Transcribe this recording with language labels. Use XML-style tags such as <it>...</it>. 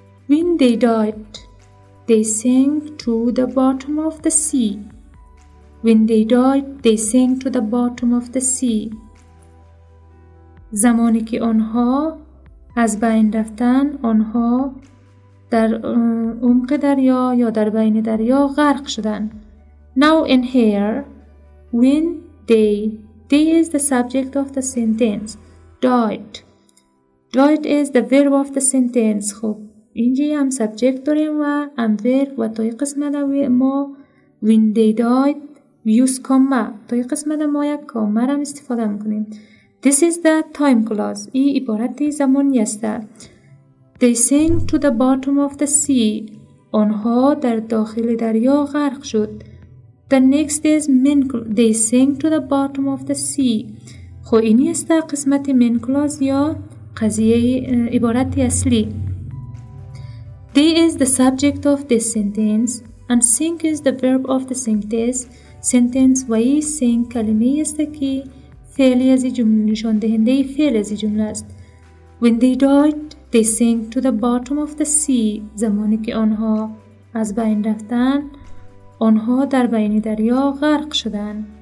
<en>When they died, they sank to the bottom of the sea. When they died, they sank to the bottom of the sea.</en> <fa>زمانی که آنها از بین رفتن، آنها در عمق دریا یا در بین دریا غرق شدن.</fa> <en>Now and here, when they is the subject of the sentence. Died. Died is the verb of the sentence.</en> <fa>خب اینجا هم subject داریم و هم verb و توی قسمت ما</fa> <en>when they died use comma.</en> <fa>توی قسمت ما یک comma را استفاده میکنیم.</fa> <en>This is the time clause.</en> <fa>ای عبارت زمانی است.</fa> <en>They sank to the bottom of the sea.</en> <fa>آنها در داخل دریا غرق شد.</fa> <en>The next is main clause. They sank to the bottom of the sea.</en> <fa>خو اینی است قسمت main clause یا قضیه عبارت اصلی.</fa> <en>They is the subject of this sentence and sink is the verb of the sentence.</en> <fa>و ای sink کلمه است که فعلی از جمله نشان دهنده فعل از جمله است.</fa> <en>When they died, they sank to the bottom of the sea.</en> <fa>زمانی که آنها از بین رفتند، آنها در بین دریا غرق شدند.</fa>